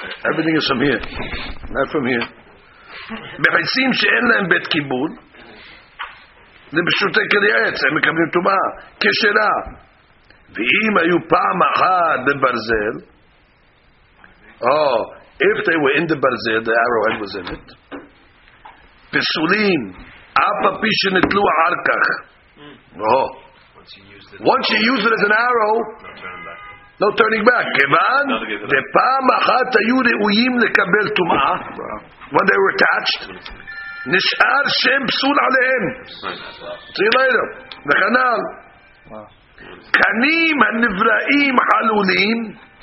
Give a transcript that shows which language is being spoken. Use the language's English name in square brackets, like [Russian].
[English] Everything is from here, not from here. [Hebrew] בחיצים שאין להם בית קיבול לבשוטי כלי העץ הם מקבלים טומאה כשלה. ואם היו פעם אחת בברזל, [English] if they were in the ברזל, the arrowhead was in it, [Hebrew] פסולים אף הפי שנטלו אחר כך. [English] Once you use it as an arrow, no turning back. [Hebrew] כיוון בפעם אחת היו ראויים לקבל טומאה, [English] when they were attached, [Hebrew] נשאר שם פסול עליהם. [English] See later. [Hebrew] וכנ"ל קנים הנבראים חלולים.